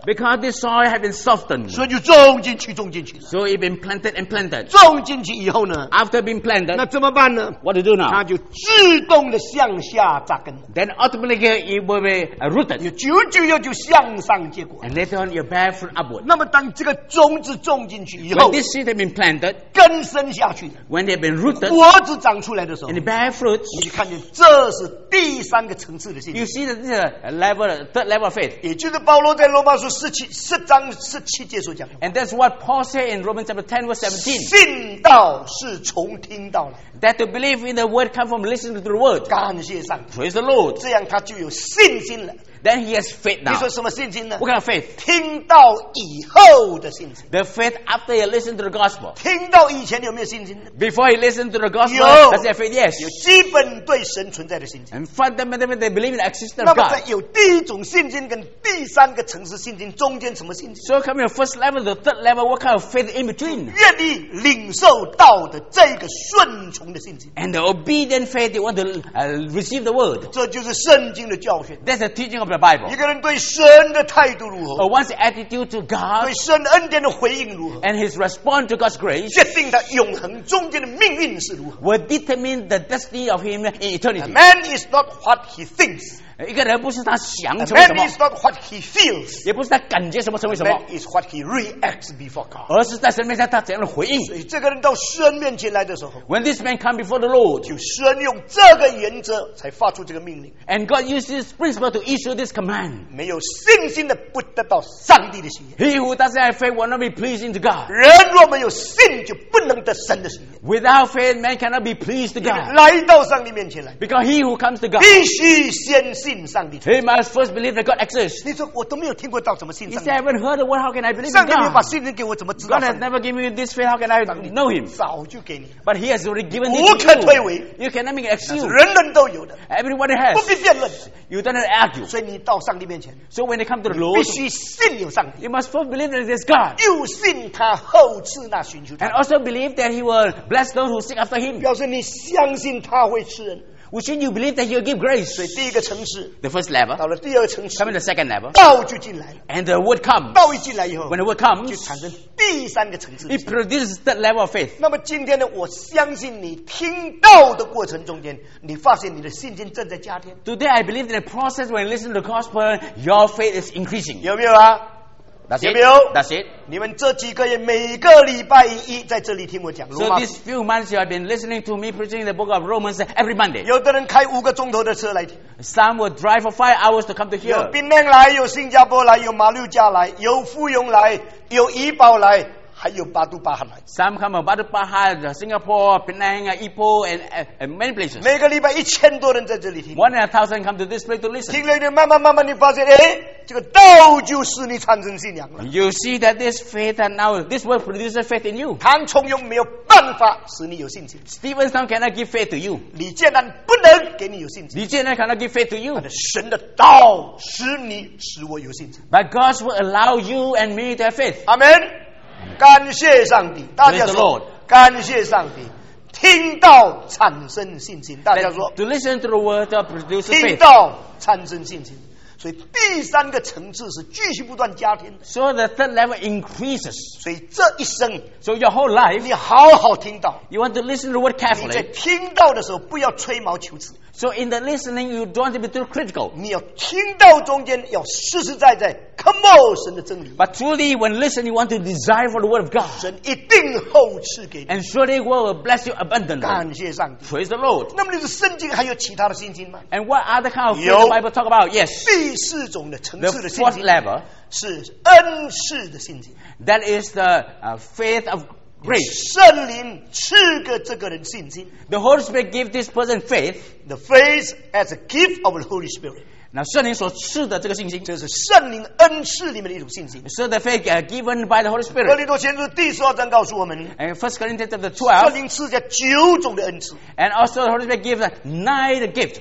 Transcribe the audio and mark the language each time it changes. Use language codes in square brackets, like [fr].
[en] Because this soil has been softened. [zh] 所以就种进去。 [en] So it's been planted and planted. [zh] 种进去以后呢, [en] after being planted, [zh] 那怎么办呢? [en] What to do now? [zh] 它就自动的向下扎根。 [en] Then ultimately it will be rooted. [zh] 久久又就向上结果。 [en] And later on, you bear fruit upward. [zh] 那么当这个种子种进去以后, [en] when this seed has been planted, [zh] 根深下去, [en] when they've been rooted, [zh] 果子长出来的时候, [en] and it bear fruits, [zh] 你就看见这是第三个层次的信息。 [en] You see that this is a level, third level of faith. [zh] 也就是保罗在罗马书 十章十七节所讲的话, [en] and that's what Paul said in Romans chapter 10 verse 17. [zh] 信道是从听到来, [en] that to believe in the word comes from listening to the word. [zh] 感谢上帝, [en] praise the Lord. [zh] 这样他就有信心了。 [en] Then he has faith now. [zh] 你说什么信心呢? [en] What kind of faith? [zh] 听到以后的信心。 [en] The faith after you listen to the gospel. [zh] 听到以前有没有信心呢? [en] Before you listen to the gospel, [zh] 有, [en] does he have faith? Yes. [zh] 有基本对神存在的信心。 [en] And fundamentally they believe in the existence of God. [zh] 那么在有第一种信心跟第三个层次信心中间什么信心? [en] So come your first level, the third level, what kind of faith in between? [zh] 愿意领受道的这个顺从的信心。 [en] And the obedient faith, they want to receive the word. [zh] 这就是圣经的教训。 [en] That's the teaching of the Bible. [zh] 一个人对神的态度如何? [en] Or one's attitude to God, [zh] 对神恩典的回应如何? [en] And his response to God's grace, [zh] 决定他永恒中间的命运是如何? [en] Will determine the destiny of him in eternity. A man is not what he thinks. [zh] 一个人不是他想成为什么, [en] a man is not what he feels, [zh] 也不是他感觉什么成为什么, [en] a man is what he reacts before God. [zh] 而是在神面前他怎样的回应。所以这个人到神面前来的时候, [en] when this man comes before the Lord, [zh] 就神用这个原则才发出这个命令。 [en] And God uses this principle to issue this command. [zh] 没有信心的不得到上帝的喜悦。 [en] He who doesn't have faith will not be pleasing to God. [zh] 人若没有信就不能得神的喜悦。 [en] Without faith, man cannot be pleased to God. [zh] 来到上帝面前来, [en] because he who comes to God, [zh] 必须先, [en] he must first believe that God exists. [zh] 你说我都没有听过道怎么信上帝? [en] He said, I haven't heard the word, how can I believe God? God has never given me this faith, how can I know him? [zh] 早就给你, [en] but he has already given it [zh] 无可推诿, [en] to you. You cannot make an excuse. [zh] 人人都有的, [en] everyone has. [zh] 不必辩论, [en] you don't have to argue. [zh] 所以你到上帝面前, [en] so when you come to the Lord, [zh] 必须信有上帝, [en] you must first believe that there is God. [zh] 又信他后赐那寻求他, [en] and also believe that he will bless those who seek after him. [zh] 表示你相信他会赐人, [en] which you believe that he'll give grace. [zh] 所以第一个层次, [en] the first level, [zh] 到了第二层次, [en] come to the second level, [zh] 道就进来了, [en] and the word comes. [zh] 道一进来以后, [en] when the word comes, [zh] 就产生第三个层次, [en] it produces the level of faith. [zh] 那么今天呢, 我相信你听道的过程中间, 你发现你的信心正在加添。 [en] Today I believe that the process when you listen to the gospel, your faith is increasing. [zh] 有没有啊? [en] That's it. [zh] 有没有? [en] That's it. [zh] 你们这几个月每个礼拜一在这里听我讲罗马书。 [en] So these few months you have been listening to me preaching the book of Romans every Monday. [zh] 有的人开5个钟头的车来听。 [en] Some will drive for 5 hours to come to here. [zh] 有槟榔来，有新加坡来，有马六甲来，有富永来，有怡保来。还有巴都巴哈来, [en] some come from Badu-Baha, Singapore, Penang, Ipoh, and many places. [zh] 每个礼拜1000多人在这里听, [en] 1,000 come to this place to listen. [zh] 听了一点慢慢慢慢你发现这个道就是你产生信仰了。 [en] You see that this faith and now this word produces faith in you. [zh] 谭崇庸没有办法使你有信心。 [en] Stevenson cannot give faith to you. [zh] 李建南不能给你有信心。 [en] 李建南 cannot give faith to you. [zh] 神的道使你使我有信心。 [en] But God will allow you and me to have faith. Amen. [zh] 感谢上帝，大家说，感谢上帝，听到产生信心，大家说， [en] to listen to the word produces faith. [zh] 听到产生信心。所以第三个层次是继续不断加添的。 [en] So the third level increases. [zh] 所以这一生 [en] ，So your whole life， [zh] 你好好听到。 [en] You want to listen to the word carefully. [zh] 你在听到的时候不要吹毛求疵。 [en] So in the listening, you don't want to be too critical. [zh] 你要听到中间要实实在在 come on 神的真理。 [en] But truly, when listening, you want to desire for the word of God. [zh] 神一定厚赐给你。 [en] And surely, God will bless you abundantly. [zh] 感谢上帝。 [en] Praise the Lord. [zh] 那么你的圣经还有其他的信心吗？ [en] And what other kind of faith the Bible talk about? Yes. [zh] 第四种的层次的信心。 [en] The fourth level [zh] 是恩赐的信心。 [en] That is the faith of grace. [zh] 圣灵赐给这个人信心。 [en] The Holy Spirit gives this person faith. The faith as a gift of the Holy Spirit. [zh] 那圣灵所赐的这个信心，这是圣灵恩赐里面的一种信心。 [en] So the faith given by the Holy Spirit. [zh] 哥林多前书第十二章告诉我们 [en] ，And First Corinthians chapter 12, [zh] 圣灵赐下九种的恩赐。 [en] And also the Holy Spirit gives nine gifts.